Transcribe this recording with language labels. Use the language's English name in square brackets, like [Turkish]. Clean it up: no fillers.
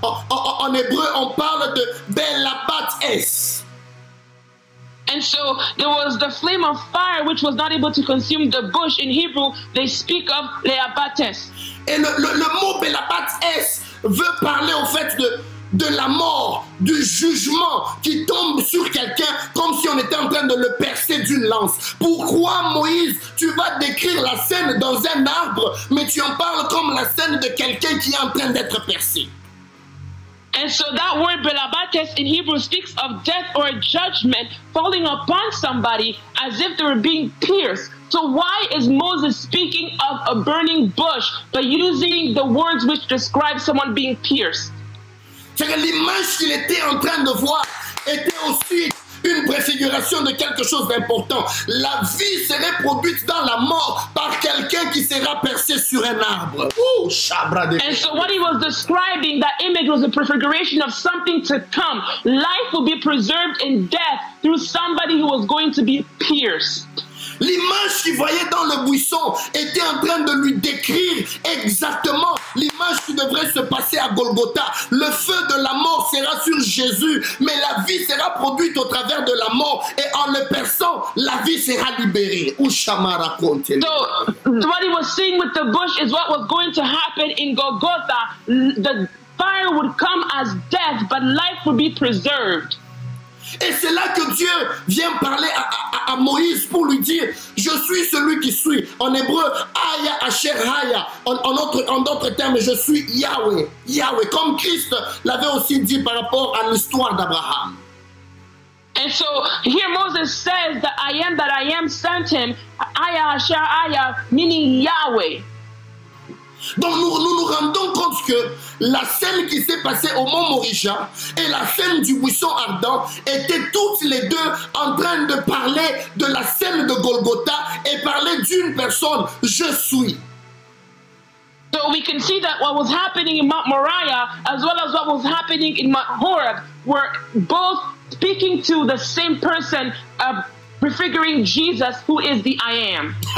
[French] En hébreu, on parle de belabat esh. [English] And so there was the flame of fire which was not able to consume the bush. In Hebrew, they speak of le'abates. [French] Et le mot be'labates veut parler au fait de la mort, du jugement qui tombe sur quelqu'un comme si on était en train de le percer d'une lance. Pourquoi, Moïse, tu vas décrire la scène dans un arbre, mais tu en parles comme la scène de quelqu'un qui est en train d'être percé? [English] And so that word belabates in Hebrew speaks of death or judgment falling upon somebody as if they were being pierced. So why is Moses speaking of a burning bush but using the words which describe someone being pierced? [French] C'est que l'image qu'il était en train de voir était aussi une préfiguration de quelque chose d'important. La vie serait produite dans la mort par quelqu'un qui sera percé sur un arbre. Ouh, [English] and so what he was describing, that image was a prefiguration of something to come. Life will be preserved in death through somebody who was going to be pierced. [French] L'image qu'il voyait dans le buisson était en train de lui décrire exactement l'image qui devrait se passer à Golgotha. Le feu de la mort sera sur Jésus, mais la vie sera produite au travers de la mort. Et en le perçant, la vie sera libérée. Ushama raconte. [English] So, what he was seeing with the bush is what was going to happen in Golgotha. The fire would come as death, but life would be preserved. [French] Et c'est là que Dieu vient parler à Moïse pour lui dire, je suis celui qui suis. En hébreu, [Hebrew] Aya Asher Haya. [French] En d'autres termes, je suis Yahweh. Yahweh, comme Christ l'avait aussi dit par rapport à l'histoire d'Abraham. [English] And so here Moses says that I am sent him, [Hebrew] Aya Asher Haya, [English] meaning Yahweh. [French] Donc nous rendons compte que la scène qui s'est passée au mont Morija et la scène du buisson ardent étaient toutes les deux en train de parler de la scène de Golgotha et parler d'une personne, je suis. [English] So we can see that what was happening in Mount Moriah as well as what was happening in Mount Horeb were both speaking to the same person, prefiguring Jesus who is the I am.